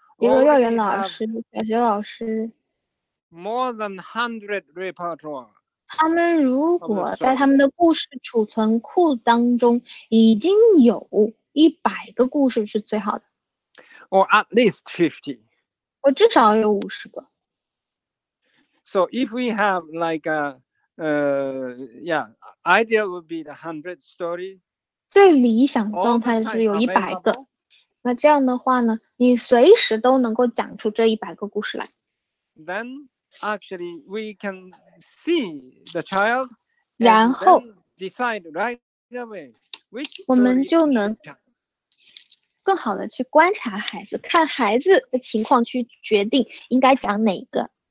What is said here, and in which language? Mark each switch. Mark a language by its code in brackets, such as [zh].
[zh] 比如幼儿园老师、小学老师 [en] more than 100 repertoire. [zh] 他们如果在他们的故事储存库当中已经有100个故事是最好的。 [en] Or at least 50. [zh] 我至少有50个。 [en] So if we have like a, yeah, idea would be the 100 story. [zh] 最理想的状态是有100个。那这样的话呢，你随时都能够讲出这100个故事来。 [en] Then actually we can... See the child, and [zh] 然后 [en] decide right away which [zh] 我们就能更好的去观察孩子，看孩子的情况去决定应该讲哪个。